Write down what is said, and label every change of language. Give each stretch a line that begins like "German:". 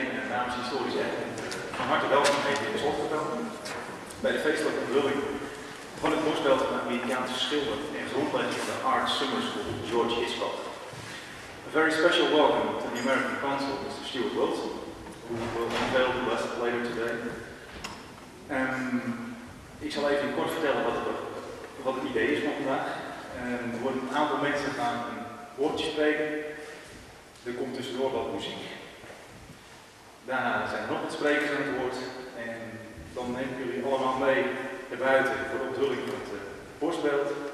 Dutch: namens Historisch Erfgoed van harte welkom heten in Zorgverkamp bij de feestelijke onthulling van het voorspel van Amerikaanse schilder en grondlegger van de Art Summer School, George Hitchcock.
English: A very special welcome to the American Consul, Mr. Stuart Wilson, who will unveil the lesson later today.
Dutch: Ik zal even kort vertellen wat het idee is van vandaag. Er worden een aantal mensen gaan een woordje spreken. Er komt tussendoor wat muziek. Daarna zijn er nog wat sprekers aan het woord. En dan neem ik jullie allemaal mee naar buiten voor de onthulling van het borstbeeld.